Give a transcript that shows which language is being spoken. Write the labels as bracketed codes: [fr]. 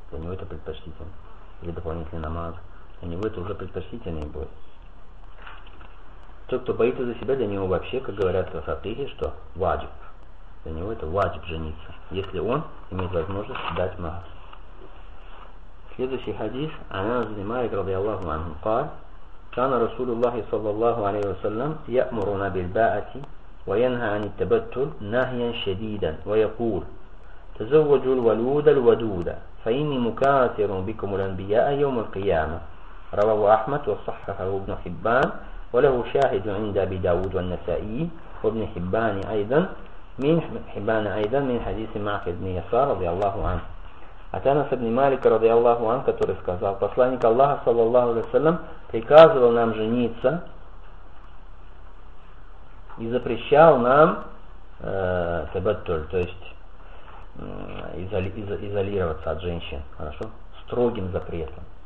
[ru] Для него это предпочтительно. Или дополнительный намаз. Для него это уже предпочтительнее будет. Тот, кто боится за себя, для него вообще, как говорят в Сатыхе, что ваджиб. Для него это ваджиб жениться, если он имеет возможность дать махр. Следующий хадис. [ar] Анас ибн Малик радиаллаху анху قال: كان رسول الله صلى الله عليه وسلم يأمرنا بالباعة وينهى عن التبتل نهيا شديدا ويقول: تزوجوا الولود الودودة فإني مكاثر بكم الأنبياء يوم القيامة. رواه أحمد وصححه ابن حبان وله شاهد عند أبي داود والنسائي وابن حبان أيضا من حبان أيضا من حديث معقد بن يسار رضي الله عنه. أتى أنس بن مالك رضي الله عنه [ru] который сказал: посланник Аллаха [ar] صلى الله عليه وسلم [ru] приказывал нам жениться и запрещал нам табаттуль, то есть изолироваться от женщин, хорошо, строгим запретом.